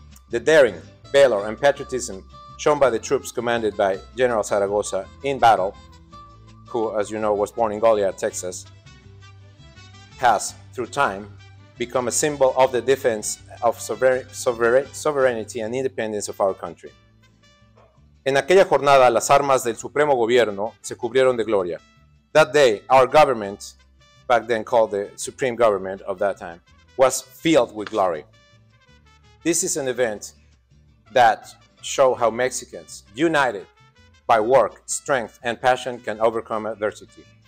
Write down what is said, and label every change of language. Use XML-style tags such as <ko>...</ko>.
<en>The daring, valor, and patriotism shown by the troops commanded by General Zaragoza in battle, who, as you know, was born in Goliad, Texas, has, through time, become a symbol of the defense of sovereignty and independence of our country.</en> <es>En aquella jornada, las armas del Supremo Gobierno se cubrieron de gloria.</es> <en>That day, our government, back then called the Supreme Government of that time, was filled with glory. This is an event that show how Mexicans, united by work, strength, and passion, can overcome adversity.</en>